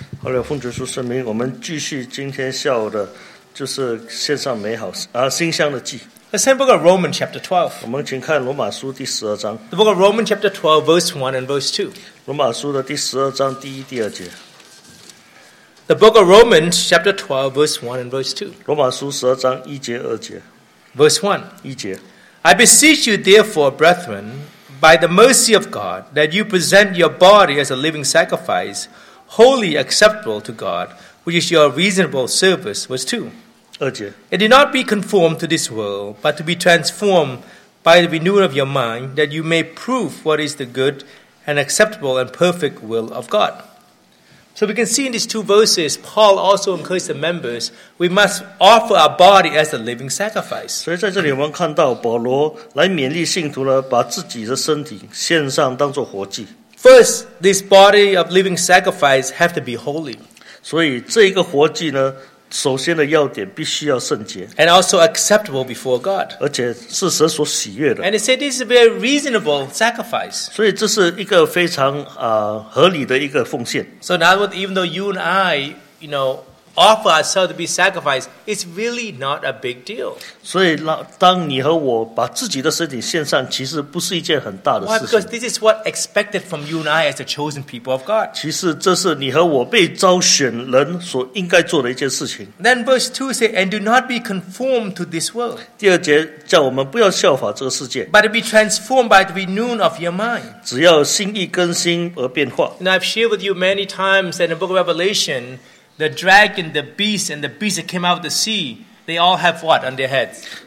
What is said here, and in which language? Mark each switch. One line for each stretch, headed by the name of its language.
English: Let's turn to the book of Romans chapter 12.
Chinese: 我们请看罗马书第十二章.
English: The book of Romans chapter 12, verse 1 and verse 2.
Chinese: 罗马书的第十二章第一、第二节.
English: The book of Romans chapter 12, verse 1 and verse 2.
Chinese: 罗马书十二章一节二节.
English: Verse 1.
Chinese: 一节.
English: I beseech you therefore, brethren, by the mercy of God, that you present your body as a living sacrifice, wholly acceptable to God, which is your reasonable service. Verse 2. And do not be conformed to this world, but to be transformed by the renewal of your mind, that you may prove what is the good and acceptable and perfect will of God. So we can see in these two verses, Paul also encouraged the members, we must offer our body as a living sacrifice.
Chinese: 所以在这里我们看到保罗来勉励信徒呢，把自己的身体献上当作活祭。
English: First, this body of living sacrifice has to be holy.
Chinese: 所以这个活祭呢， 首先的要点必须要圣洁,
English: and also acceptable before God.
Chinese: 而且是神所喜悦的,
English: and it said this is a very reasonable sacrifice.
Chinese: 所以这是一个非常,
English: so now even though you and I, you know, offer ourselves to be sacrificed, it's really not a big deal.
Chinese: 所以当你和我把自己的身体献上,
English: why? Because this is what expected from you and I as the chosen people of God. Then verse 2 says, and do not be conformed to this world.
Chinese: 第二节叫我们不要效法这个世界,
English: but to be transformed by the renewing of your mind.
Chinese: 只要心意更新而变化。
English: And I've shared with you many times that in the book of Revelation, the dragon, the beast, and the beast that came out of the sea, they all have what on their heads?